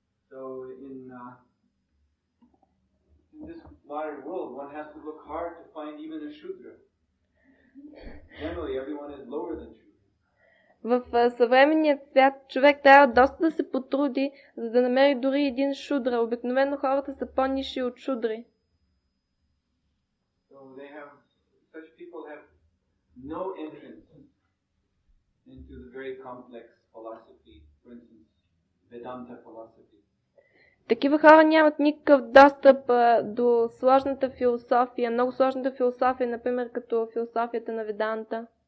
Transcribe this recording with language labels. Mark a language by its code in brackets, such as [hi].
[en] So in this modern world, one has to look hard to find even a Shudra. Generally, everyone is lower than Shudra. [bg] В съвременния свят човек трябва доста да се потруди, за да намери дори един шудра. Обикновено хората са по-ниши от шудри. [en] So they have, such people have no entrance into the very complex philosophy, for instance, Vedanta philosophy. [bg] Такива хора нямат никакъв достъп до сложната философия, много сложната философия, например, като философията на Веданта.